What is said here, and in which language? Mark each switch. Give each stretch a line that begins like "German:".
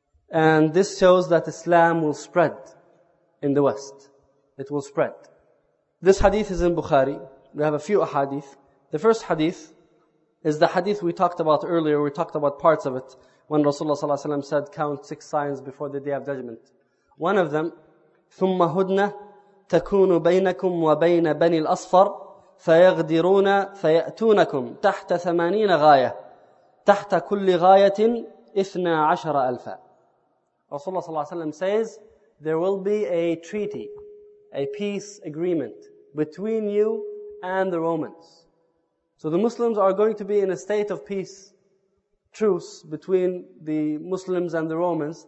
English: And this shows that Islam will spread in the West. It will spread. This hadith is in Bukhari. We have a few ahadith. The first hadith is the hadith we talked about earlier. We talked about parts of it when Rasulullah ﷺ said, count six signs before the Day of Judgment. One of them,
Arabic: ثُمَّ هُدْنَةٌ تَكُونُ بَيْنَكُمْ وَبَيْنَ بَنِي الْأَصْفَرِ فَيَغْدِرُونَ فَيَأْتُونَكُمْ تَحْتَ 80 غَايَةٍ تَحْتَ كُلِّ غَايَةٍ 12,000.
English: Rasulullah ﷺ says, there will be a treaty, a peace agreement between you and the Romans. So the Muslims are going to be in a state of peace, truce between the Muslims and the Romans.